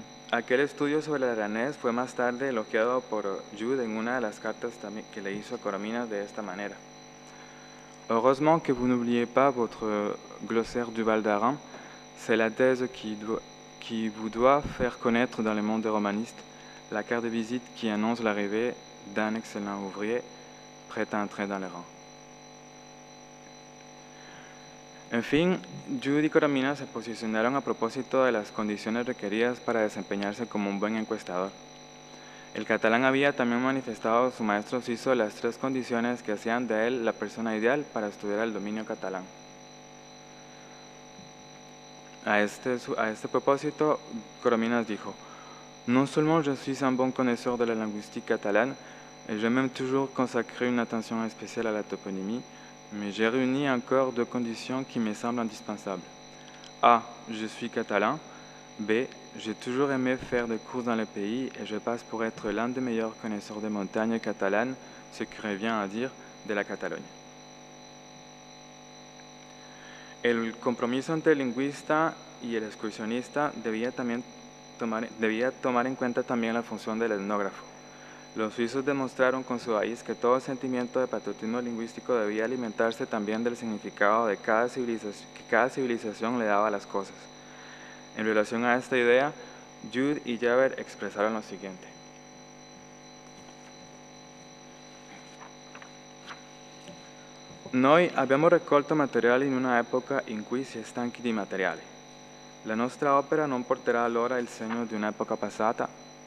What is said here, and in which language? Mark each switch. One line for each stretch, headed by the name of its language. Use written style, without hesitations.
Spanish: Aquel estudio sobre el aranés fue más tarde elogiado por Jude en una de las cartas que le hizo a Corominas de esta manera:
French: heureusement que vous n'oubliez pas votre glossaire du Val d'Aran, c'est la thèse qui vous doit faire connaître dans le monde des romanistes, la carte de visite qui annonce l'arrivée d'un excellent ouvrier prêt à entrer dans les rangs.
Spanish: En fin, Judy y Corominas se posicionaron a propósito de las condiciones requeridas para desempeñarse como un buen encuestador. El catalán había también manifestado a su maestro suizo las 3 condiciones que hacían de él la persona ideal para estudiar el dominio catalán. A este propósito, Corominas dijo:
French: non seulement je suis un bon connaisseur de la linguistique catalane, et j'ai même toujours consacré une attention spéciale à la toponymie, mais j'ai réuni encore 2 conditions qui me semblent indispensables. A. Je suis catalan. B. J'ai toujours aimé faire des courses dans le pays et je passe pour être l'un des meilleurs connaisseurs des montagnes catalanes, ce qui revient à dire de la Catalogne.
Spanish: El compromiso entre el lingüista y el excursionista debía tomar en cuenta también la función del etnógrafo. Los suizos demostraron con su país que todo sentimiento de patriotismo lingüístico debía alimentarse también del significado de que cada civilización le daba a las cosas. En relación a esta idea, Jude y Jaber expresaron lo siguiente:
Italian: noi abbiamo raccolto materiali in una epoca in cui si è stanchi di materiali. La nostra opera non porterà allora il segno di un'epoca passata.